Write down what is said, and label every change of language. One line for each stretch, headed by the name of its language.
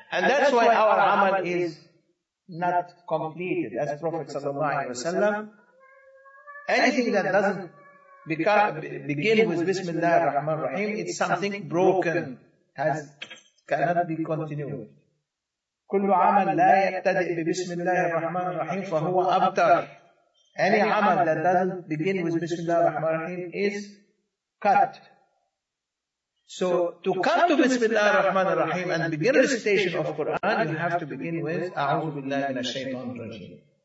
English: And that's why our عمل is not completed. As Prophet
Arabic: صلى الله عليه وسلم,
English: anything that doesn't begin with Bismillah ar-Rahman ar-Rahim, it's something broken, has cannot be continued.
Arabic: كل عمل لا يبتدئ ببسم الله الرحمن الرحيم فهو أبتر.
English: Any عمل that doesn't begin with
Arabic: بسم الله الرحمن الرحيم
English: is cut. So to come to
Arabic: بسم الله الرحمن الرحيم
English: and begin recitation of Quran, you have to begin with
Arabic: أعوذ بالله من الشيطان الرجيم.